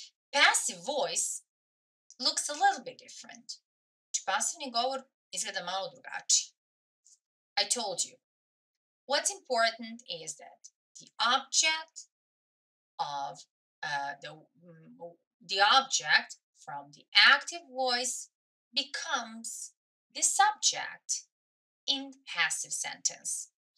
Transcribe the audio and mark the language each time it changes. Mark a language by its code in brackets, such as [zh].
[en] Passive voice looks a little bit different. [sr] Pasivni govor izgleda malo drugačije. [en] I told you. What's important is that the object from the active voice becomes the subject in passive sentence.